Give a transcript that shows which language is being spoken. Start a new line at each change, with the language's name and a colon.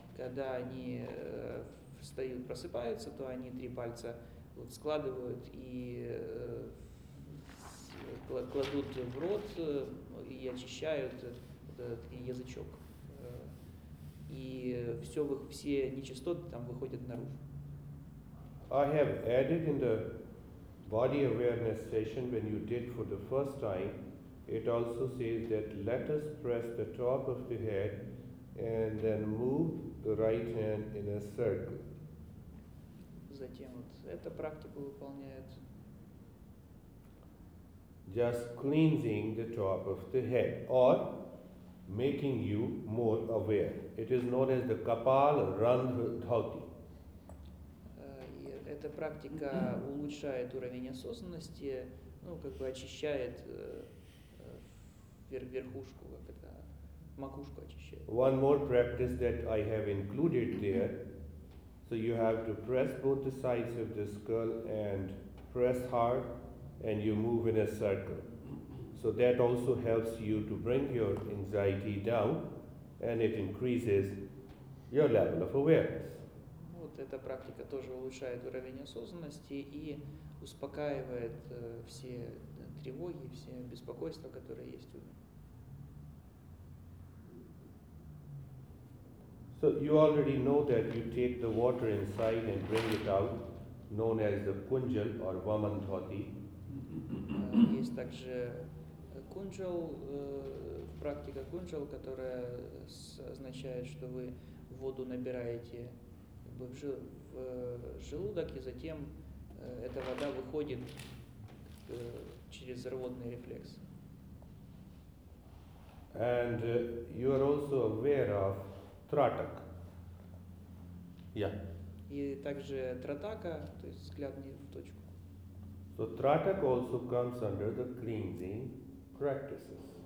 Russian: Когда они встают, просыпаются, то они три пальца вот складывают и кладут в рот и очищают этот язычок. И все нечистоты там выходят наружу.
English: I have added in the body awareness session when you did for the first time, it also says that let us press the top of the head and then move the right hand in a circle.
Russian: Затем вот эта практика выполняет.
English: Just cleansing the top of the head or making you more aware. It is known as the Kapala Randha Dhoti.
Russian: Эта практика улучшает уровень осознанности, ну, как бы очищает верхушку, как это, макушку очищает.
English: One more practice that I have included there. So you have to press both the sides of the skull and press hard and you move in a circle. So that also helps you to bring your anxiety down, and it increases your level of awareness.
Russian: Вот эта практика тоже улучшает уровень осознанности и успокаивает все тревоги, все беспокойства, которые есть у вас.
English: So you already know that you take the water inside and bring it out, known as the Kunjal or Vaman Dhoti.
Russian: Есть также кунджал, практика кунджал, которая означает, что вы воду набираете в желудок, и затем эта вода выходит через рвотный рефлекс.
English: And you are also aware of тратак. Yeah.
Russian: И также тратака, то есть взгляд не в точку.
English: So тратак also comes under the cleansing practices.